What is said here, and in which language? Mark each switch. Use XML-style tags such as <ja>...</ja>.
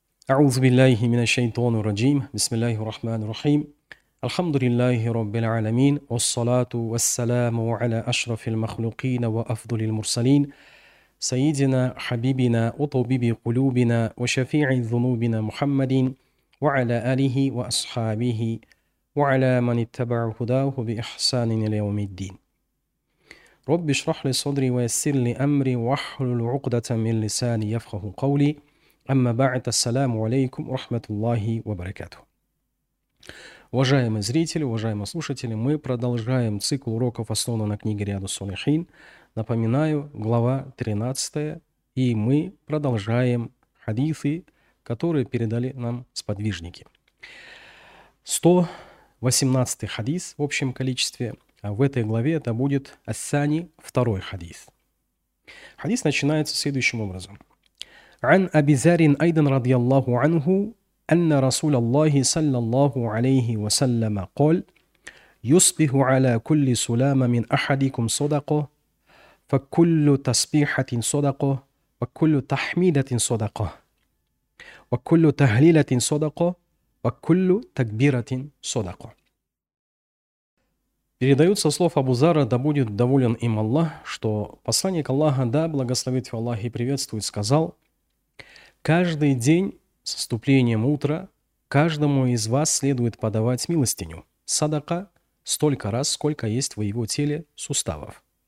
<ar>أعوذ بالله من الشيطان الرجيم بسم الله الرحمن الرحيم الحمد لله رب العالمين والصلاة والسلام على أشرف المخلوقين وأفضل المرسلين سيدنا حبيبنا وطبيب قلوبنا وشفيع ذنوبنا محمد وعلى آله وأصحابه وعلى من اتبع هداه بإحسان إلى يوم الدين رب اشرح لي صدري ويسر لي أمري واحلل عقدة من لساني يفقه قولي Амма ба'ата, ассаляму алейкум, рахматуллахи ва баракату.</ar> <ru>Уважаемые зрители, уважаемые слушатели, мы продолжаем цикл уроков, основанных на книге Риаду Салихин. Напоминаю, глава 13, и мы продолжаем хадисы, которые передали нам сподвижники. 118 хадис в общем количестве, а в этой главе это будет ассани, второй хадис. Хадис начинается следующим образом.</ru> <ar>عن أبي ذر أيضا رضي الله عنه أن رسول الله صلى الله عليه وسلم قال يصبح على كل سلامة من أحدكم صدقة فكل تسبيحة صدقة وكل تحميدة صدقة وكل تهليلة صدقة وكل تكبيرة صدقة.</ar> <ru>Передаются слов Абу Зара, да будет доволен им Аллах, что посланник Аллаха, да благословит его Аллах и приветствует, сказал: каждый день с наступлением утра каждому из вас следует подавать милостыню, садака, столько раз, сколько есть в его теле суставов.</ru>